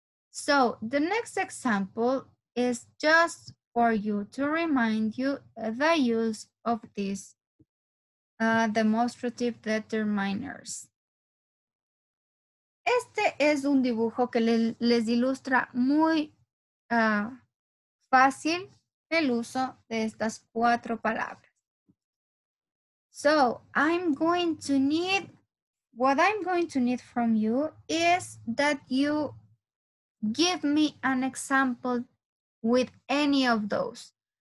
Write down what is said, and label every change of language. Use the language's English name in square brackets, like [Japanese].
[English] So, the next example is just for you to remind you the use of this. Demonstrative determiners. [Spanish] Este es un dibujo que les ilustra muy fácil el uso de estas cuatro palabras. [English] So, what I'm going to need from you is that you give me an example with any of those.